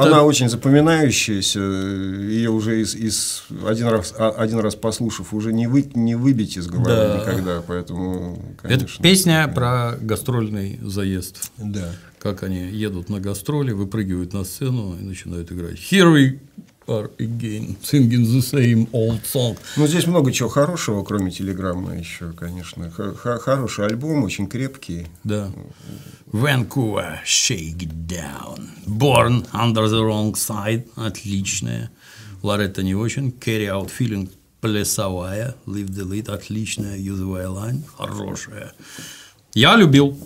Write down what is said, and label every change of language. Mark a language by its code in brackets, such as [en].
[ru] она очень запоминающаяся. Ее уже из один раз послушав, уже не выбить из головы, да, никогда. Поэтому, конечно, это песня про гастрольный заезд. Да. Как они едут на гастроли, выпрыгивают на сцену и начинают играть. [en] Here we are again, singing the same old song. [ru] Ну, здесь много чего хорошего, кроме «Телеграммы» еще, конечно. Хороший альбом, очень крепкий. [en] Да. Vancouver, shake down. Born under the wrong side. [ru] Отличная. [en] Loretta [ru] не очень. Carry out feeling. Плясовая. Leave the lid. Отличная. Юзовая лань. Хорошая. Я любил.